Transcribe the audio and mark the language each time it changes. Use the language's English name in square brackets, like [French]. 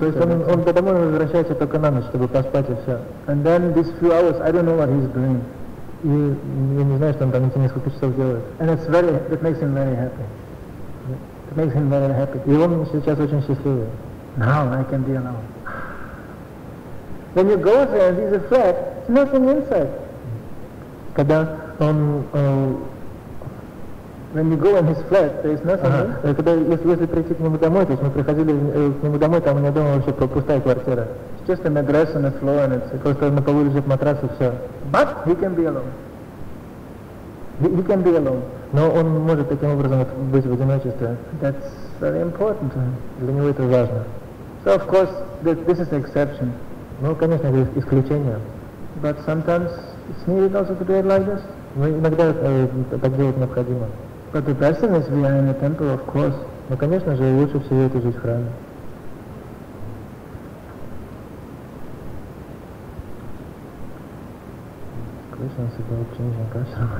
[Russian] То есть он по домой возвращается только на ночь, чтобы поспать и все. [English] And then these few hours, I don't know what he's doing. [Russian] И я не знаю, что он там эти несколько часов делает. [English] And it's very, that makes him very happy. It makes him very happy. [Russian] И он сейчас очень счастливый. [English] Now I can be alone. When you go there and he's a flat, there's nothing inside. [Russian] Когда он... [English] When you go in his flat, there's nothing inside. [Russian] Когда, если прийти к нему домой, то есть мы приходили к нему домой, там у меня дома вообще пустая квартира. [English] It's just a mattress on the floor and it's... [Russian] Просто на полу лежит матрас и все. [English] But he can be alone. He can be alone. [Russian] Но он может таким образом быть в одиночестве. [English] That's very important to him. [Russian] Для него это важно. [English] So of course, this is an exception. [Russian] Ну, конечно, это исключение. [English] But sometimes it's needed also to do it like this. [Russian] Но иногда так делать необходимо. [English] But the best thing is we are in a temple, of course. [Russian] Но, конечно же, лучше всего это жить в храме. Конечно, если бы вообще нужно кашлять.